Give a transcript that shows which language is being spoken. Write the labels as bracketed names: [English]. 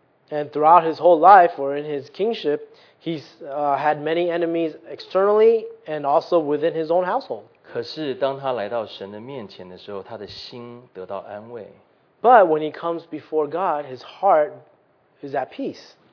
[English] And throughout his whole life, or in his kingship, he's had many enemies externally and also within his own household. [Chinese] 可是当他来到神的面前的时候，他的心得到安慰。 [English] But when he comes before God, his heart is at peace.